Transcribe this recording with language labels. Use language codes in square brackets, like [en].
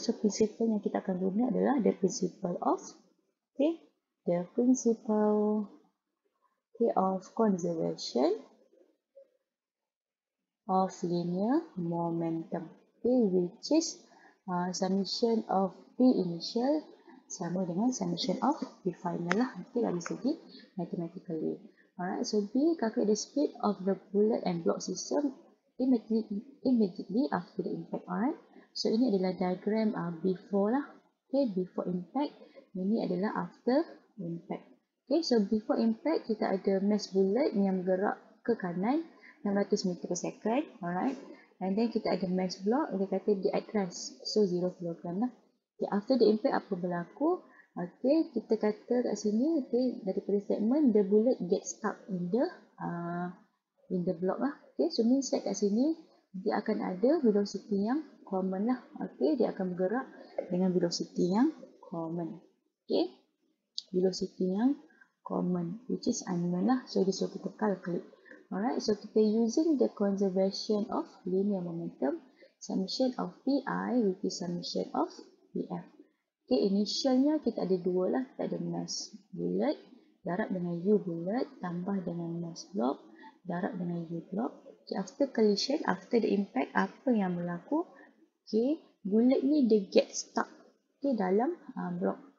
[en] So, principle [ms] yang kita akan guna adalah [en] the principle of, okay, the principle, okay, of conservation of linear momentum, okay, which is summation of P initial [ms] sama dengan [en] summation of P final lah. [ms] Okay, dari segi mathematically. [en] Alright, so B, calculate the speed of the bullet and block system immediately after the impact. Alright, [ms] So ini adalah diagram before lah. Okay, before impact. Ini adalah after impact. Okay, so [en] before impact [ms] kita ada mass bullet yang bergerak ke kanan 600 meter per second. Alright. And then kita ada mass block, dia kata dia [en] at rest. [ms] So 0 kilogram lah. Okay, after the impact apa berlaku? Okay, kita kata kat sini, okay, daripada statement [en] the bullet get stuck in the block [ms] lah. Okay, so means that kat sini dia akan ada velocity yang common lah. Okay, dia akan bergerak dengan velocity yang common. [en] Okay, velocity yang common, which is unknown lah. [ms] So dia suruh kita calculate. [en] Alright, so [ms] kita [en] using the conservation of linear momentum, summation of Pi, which is summation of Pf. [ms] Okay, initialnya kita ada dua lah, kita ada mass bullet, darab dengan U bullet, tambah dengan mass block, darab dengan U block. [en] Okay, after collision, after the impact, [ms] apa yang berlaku? Okay, bullet ni dia [en] get stuck, [ms] okay, dalam block.